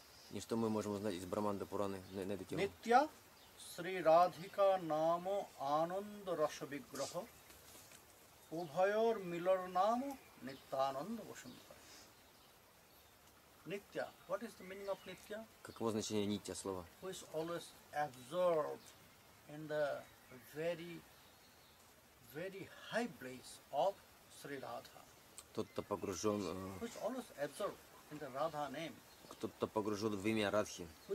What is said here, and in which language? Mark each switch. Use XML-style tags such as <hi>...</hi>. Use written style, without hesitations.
<ru>И что мы можем узнать из Брахманда Пураны на эту тему?</ru> <sa>Нитья, Шри Радхика, Намо, Ананда, Рашабиграха, Убхайор, Милар, Намо, Нитянанда, Вашамитай.</sa> <en>Нитья. What is the meaning of Нитья?</en> <ru>Каково значение Нитья слова?</ru> <en>Who is always absorbed in the very, very high place of Шри Радха.</en> <ru>Тот, кто погружен...</ru> <en>Who is always absorbed in the Radha name.</en> <ru>Кто-то погружен в имя Радхи,</ru>